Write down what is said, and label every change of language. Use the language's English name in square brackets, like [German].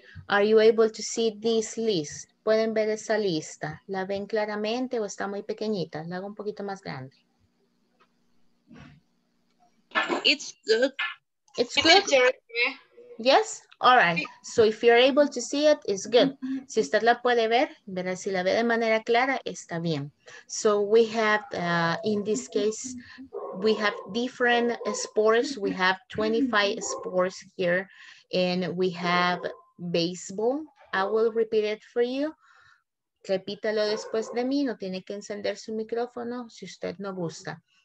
[English] Are you able to see this list? [Spanish] ¿Pueden ver esa lista? ¿La ven claramente o está muy pequeñita? La hago un poquito más grande. [English] It's good. It's good. Yeah. Yes? All right. So if you're able to see it, it's good. Mm-hmm. [Spanish] Si usted la puede ver, verá, si la ve de manera clara, está bien. [English] So we have, in this case, we have different sports. We have 25 sports here, and we have baseball. I will repeat it for you. [Spanish] Repítalo después de mí. No tiene que encender su micrófono si usted no gusta.